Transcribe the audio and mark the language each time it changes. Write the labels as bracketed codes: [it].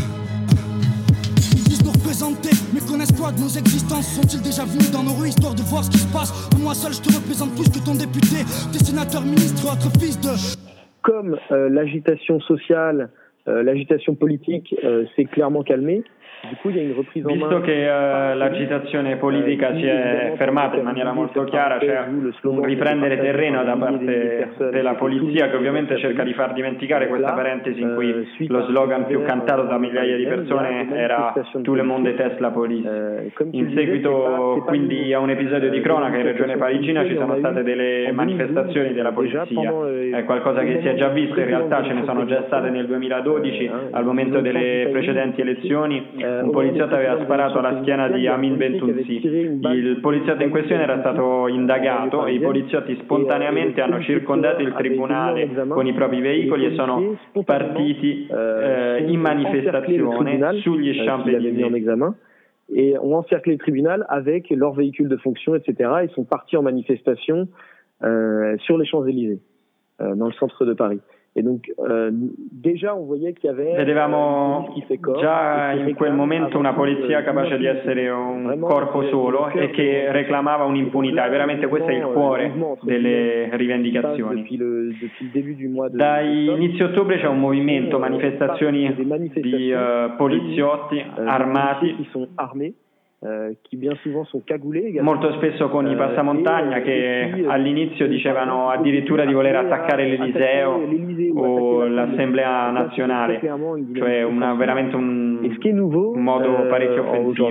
[fr] Ils disent nous représenter, mais connaissent quoi de nos existences? Sont-ils déjà venus dans nos rues histoire de voir ce qui se passe? À moi seul, je te représente plus que ton député, tes sénateurs, ministres, autre fils de. Comme l'agitation sociale, l'agitation politique s'est clairement calmée. [it] Visto che l'agitazione politica si è fermata in maniera molto chiara, c'è un riprendere terreno da parte della polizia, che ovviamente cerca di far dimenticare questa parentesi in cui lo slogan più cantato da migliaia di persone era [fr] Tout le monde déteste la police. [it] In seguito quindi a un episodio di cronaca in regione parigina ci sono state delle manifestazioni della polizia, è qualcosa che si è già visto, in realtà ce ne sono già state nel 2012 al momento delle precedenti elezioni. Un poliziotto aveva sparato alla schiena di Amin Bentounsi. Il poliziotto in questione era stato indagato e i poliziotti spontaneamente hanno circondato il tribunale con i propri veicoli e sono partiti in manifestazione sugli Champs-Élysées. E hanno [fr] encerclé [it] il tribunale [fr] avec leurs véhicules de fonction, etc. [it] E sono partiti in manifestazione [fr] sur les Champs-Élysées, dans le centre de Paris. Et donc, déjà on voyait qu'il y avait [it] vedevamo già in quel momento una polizia capace di essere un corpo solo e che reclamava un'impunità. Veramente questo è il cuore delle rivendicazioni. Da inizio ottobre c'è un movimento, manifestazioni di poliziotti armati molto spesso con i passamontagna che all'inizio dicevano addirittura di voler attaccare l'Eliseo o l'Assemblea Nazionale, cioè veramente un modo parecchio offensivo.